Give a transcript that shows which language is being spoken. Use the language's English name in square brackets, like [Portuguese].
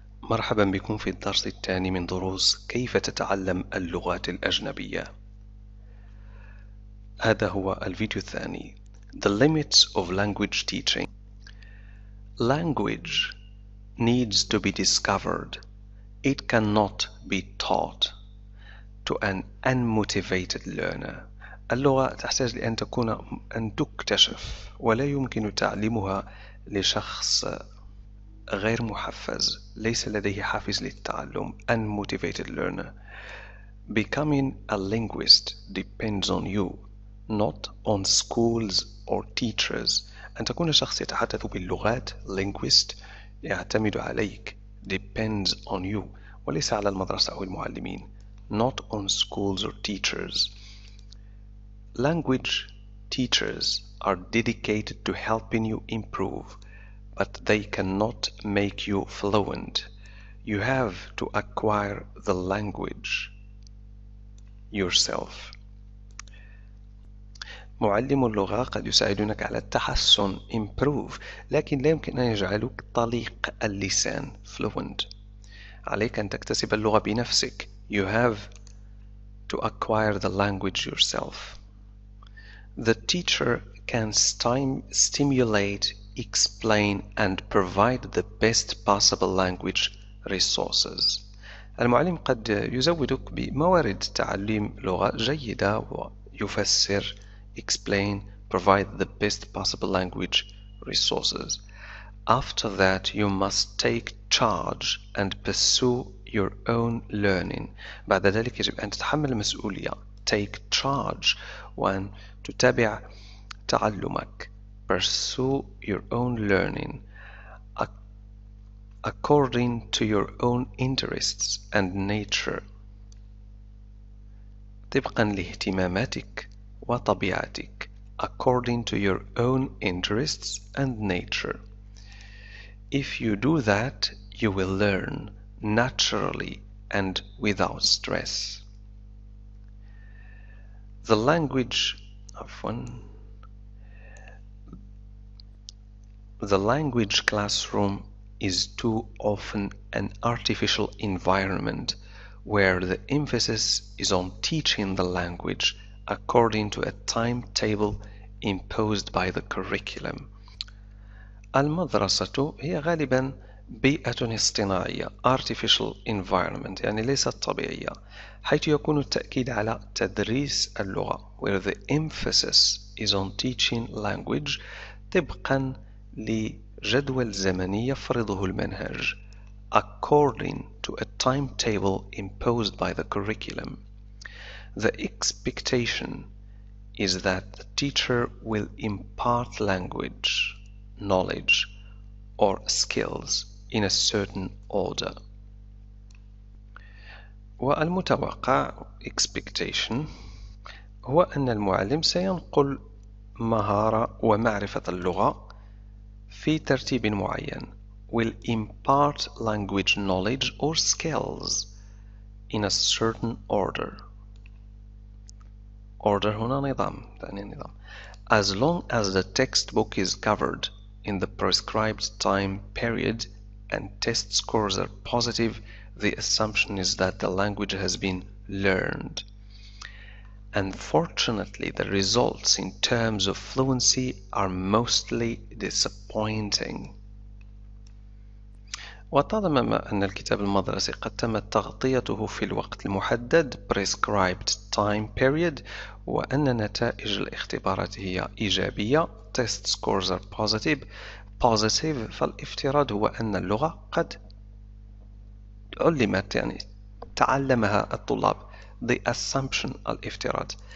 [Arabic] مرحبا بكم في الدرس الثاني من دروس كيف تتعلم اللغات الأجنبية. هذا هو الفيديو الثاني. [English] The limits of language teaching. Language needs to be discovered. It cannot be taught to an unmotivated learner. [Arabic] اللغة تحتاج لأن تكون أن تكتشف ولا يمكن تعلمها لشخص غير محفز، ليس لديه حافز للتعلم. [English] Unmotivated learner. Becoming a linguist depends on you, not on schools or teachers. [Arabic] أن تكون شخص يتحدث باللغات linguist يعتمد عليك. [English] Depends on you. [Arabic] وليس على المدرسة أو المعلمين. [English] Not on schools or teachers. Language teachers are dedicated to helping you improve. But they cannot make you fluent. You have to acquire the language yourself. [Arabic] معلم اللغة قد يساعدك على التحسن improve، لكن لا يمكن أن يجعلك طليق اللسان fluent. عليك أن تكتسب اللغة بنفسك. [English] You have to acquire the language yourself. The teacher can stimulate, explain and provide the best possible language resources. [Arabic] المعلم قد يزودك بموارد تعلم لغة جيدة ويفسر [English] explain provide the best possible language resources. After that you must take charge and pursue your own learning. [Arabic] بعد ذلك يجب أن تتحمل المسؤولية. [English] Take charge [Arabic] وأن تتابع تعلمك. [English] Pursue your own learning according to your own interests and nature. [Arabic] طبقا لاهتماماتك وطبيعتك. [English] According to your own interests and nature. If you do that, you will learn naturally and without stress. The language of one. The language classroom is too often an artificial environment where the emphasis is on teaching the language according to a timetable imposed by the curriculum. [Arabic] المدرسة هي غالبا بيئة اصطناعية [English] artificial environment [Arabic] يعني ليست طبيعية حيث يكون التأكيد على تدريس اللغة [English] where the emphasis is on teaching language [Arabic] طبقا لجدول زمني يفرضه المنهج [English] according to a timetable imposed by the curriculum. The expectation is that the teacher will impart language, knowledge or skills in a certain order. [Arabic] والمتوقع expectation هو أن المعلم سينقل مهارة ومعرفة اللغة في ترتيب معين [English] will impart language knowledge or skills in a certain order. Order [Arabic] هنا نظام يعني نظام [English] as long as the textbook is covered in the prescribed time period and test scores are positive the assumption is that the language has been learned. Unfortunately, the results in terms of fluency are mostly disappointing. [Arabic] وطالما أن الكتاب المدرسي قد تم تغطيته في الوقت المحدد [English] prescribed time period [Arabic] وأن نتائج الاختبارات هي إيجابية [English] test scores are positive [Arabic] فالافتراض هو أن اللغة قد علمت يعني تعلمها الطلاب [English] The assumption, [Arabic] الافتراض.